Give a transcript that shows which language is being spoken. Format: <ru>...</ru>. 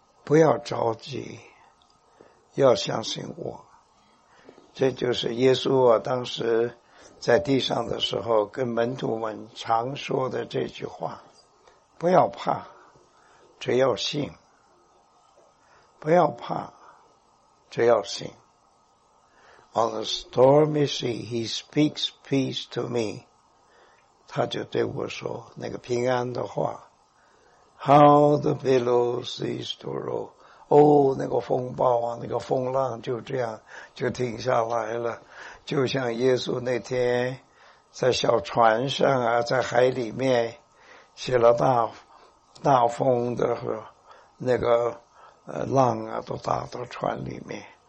<zh>不要着急，要相信我。这就是耶稣啊，当时在地上的时候跟门徒们常说的这句话，不要怕，只要信。不要怕，只要信。</zh> <en>On the stormy sea, he speaks peace to me.</en> <zh>他就对我说那个平安的话。</zh> <en>How the billows cease to roll.</en> <zh>哦，那个风暴啊，那个风浪就这样就停下来了。就像耶稣那天在小船上啊，在海里面写了大风的时候，那个浪啊都打到船里面。</zh>